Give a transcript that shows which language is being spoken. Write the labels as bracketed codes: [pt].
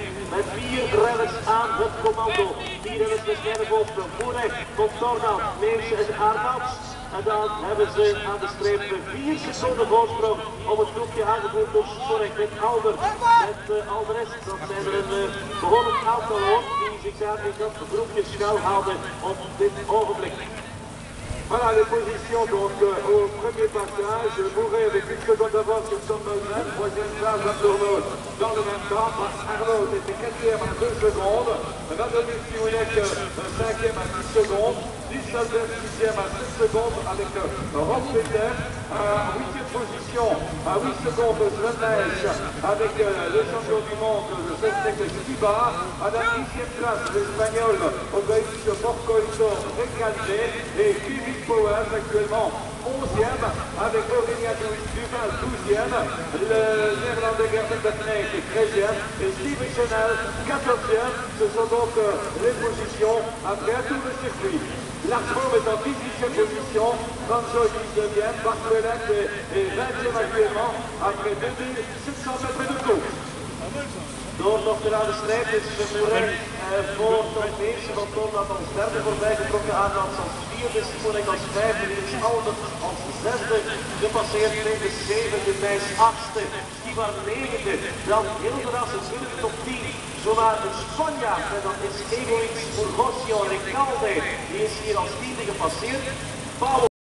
[nl] Met vier redders aan het commando. Vier redders met Sterrenbosch, Voorrecht, Contornaam, Meersen en Aardmans. En dan hebben ze aan de streep de 4 seconden voorsprong om het groepje aangevoerd door Sorek met Albert. Met Alvarez, dat zijn er een behoorlijk aantal hoog die zich daar in dat groepje schuil houden op dit ogenblik. [fr] Voilà les positions donc au premier passage, Bourret avec une seconde d'avance sur son voisin, troisième place à Tournaud dans le même temps, Arnaud était quatrième à 2 secondes, Radonis Piouillec cinquième à 10 secondes, Dissalder sixième à 6 secondes avec Rob Peter, à 8e position à 8 secondes de Slemèche avec le champion du monde, le 16e Stiba, à la 10e place l'Espagnol Obéis Porcoito Recalde et Powers actuellement 11e avec Aurélien Duval 12e, le Néerlandais Gerben Bettney qui est 13e et Steve Chenel 14e. Ce sont donc les positions après un tour de circuit. Larsbaum est en 18e position, Banjo 19e, Barthélet est 20e actuellement après 2700 mètres de course. [nl] Door nog te laten strijden is Moerij voor Tom Meersen van Tornaam als derde voorbijgetrokken. Aardmans als vierde, Sporek als vijfde, Niels Albert als zesde. Gepasseerd tegen zevende, Thijs achtste, Kivar negende. Dan Hilderas is in de top 10. Zowaar de Spanjaard, en dat is Egoïs Burgosio Recalde. Die is hier als tiende gepasseerd. Paolo.